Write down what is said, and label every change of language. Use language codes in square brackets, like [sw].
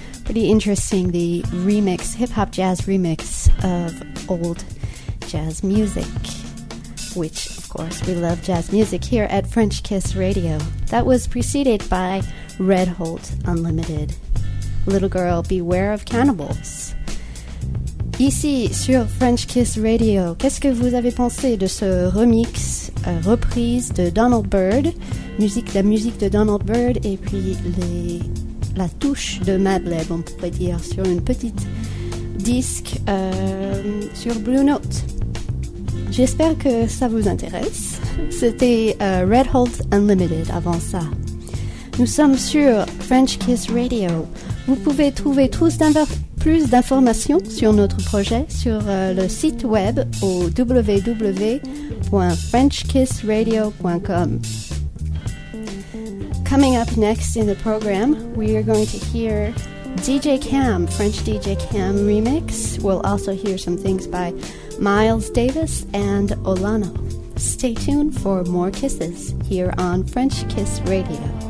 [en] Pretty interesting, the remix, hip-hop jazz remix of old jazz music, which, of course, we love jazz music here at French Kiss Radio. That was preceded by Red Holt Unlimited. Little girl, beware of cannibals. [fr] Ici, sur French Kiss Radio, qu'est-ce que vous avez pensé de ce remix, reprise de Donald Byrd, la musique de Donald Byrd, et puis la touche de Madlib, on pourrait dire, sur une petite disque sur Blue Note. J'espère que ça vous intéresse. C'était Red Holt Unlimited avant ça. Nous sommes sur French Kiss Radio. Vous pouvez trouver plus d'informations sur notre projet sur le site web au www.frenchkissradio.com. [en] Coming up next in the program, we are going to hear DJ Cam, French DJ Cam remix. We'll also hear some things by Miles Davis and Olano. Stay tuned for more kisses here on French Kiss Radio.